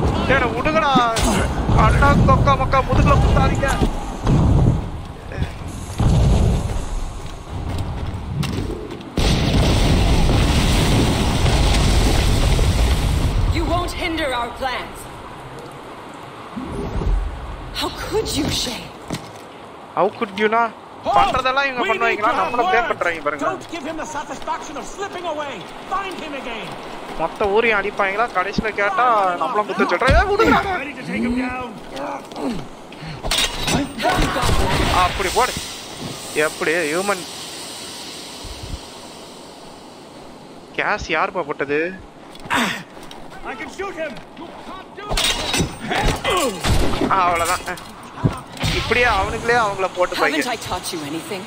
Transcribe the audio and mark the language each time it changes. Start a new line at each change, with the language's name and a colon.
English: You won't hinder our plans. How could you, Shay? How could you na?
Tamil: பண்றதெல்லாம் இவங்க பண்ணுவீங்களா நம்மள பே பண்றீங்க பாருங்க.
English: Don't give him the satisfaction of slipping away. Find him again.
Tamil: மொத்த ஊரையும் அடிப்பாங்களா கடைசியில கேட்டா நம்மள குத்து சொல்றாங்க விடுங்க. அப்படி போடு எப்படி ஹியூமன் கேஸ் யாருப்பா போட்டது அவ்வளவுதான் இப்படியே அவனுங்களே அவங்கள போட்டு